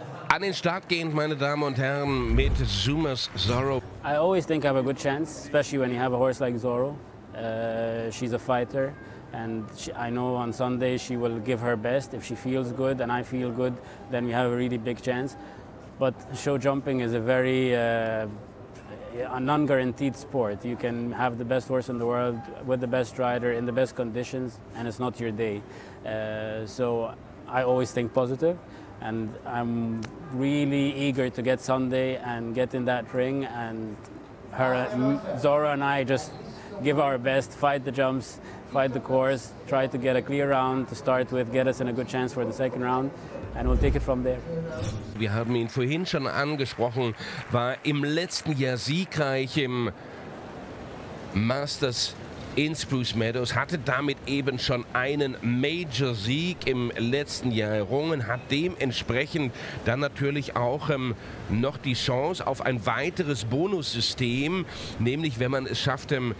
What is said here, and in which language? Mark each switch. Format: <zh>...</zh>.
<de>An den Start gehend, meine Damen und Herren, mit Zuma's Zorro.</de> <en>I always think I have a good chance, especially when you have a horse like Zorro. She's a fighter, and I know on Sunday she will give her best. If she feels good and I feel good, then we have a really big chance. But show jumping is a very non-guaranteed sport. You can have the best horse in the world with the best rider in the best conditions, and it's not your day. So I always think positive. And I'm really eager to get Sunday and get in that ring. And her, Zora and I just give our best, fight the jumps, fight the course, try to get a clear round to start with, get us in a good chance for the second round. And we'll take it from there.</en> <de>Wir haben ihn vorhin schon angesprochen, war im letzten Jahr siegreich im Masters in Spruce Meadows, hatte damit eben schon einen Major-Sieg im letzten Jahr errungen, hat dementsprechend dann natürlich auch noch die Chance auf ein weiteres Bonussystem, nämlich wenn man es schafft,</de>